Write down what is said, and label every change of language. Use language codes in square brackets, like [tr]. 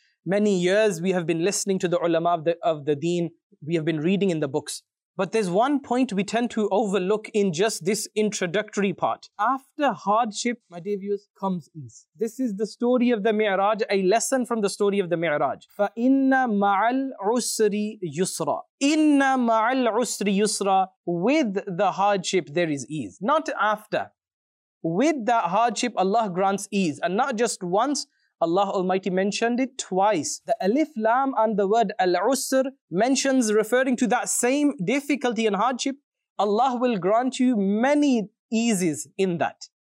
[en] Many years we have been listening to the ulama of the deen, we have been reading in the books. But there's one point we tend to overlook in just this introductory part. After hardship, my dear viewers, comes ease. This is the story of the Mi'raj, a lesson from the story of the Mi'raj. [ar] فَإِنَّ مَعَ الْعُسْرِ يُسْرًا إِنَّ مَعَ الْعُسْرِ يُسْرًا [en] With the hardship, there is ease. Not after. With that hardship, Allah grants ease. And not just once. Allah Almighty mentioned it twice. The Alif Lam and the word Al-Usr mentions, referring to that same difficulty and hardship, Allah will grant you many eases in that.